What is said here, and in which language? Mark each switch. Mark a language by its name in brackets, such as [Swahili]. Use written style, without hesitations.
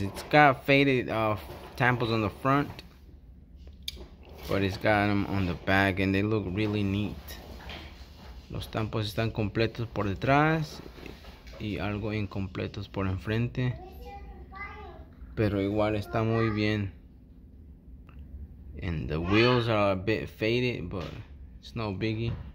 [English] It's got faded tamples on the front, but it's got them on the back and they look really neat. [Spanish] Los tampos están completos por detrás y algo incompletos por enfrente, pero igual está muy bien. [English] And the wheels are a bit faded, but it's no biggie.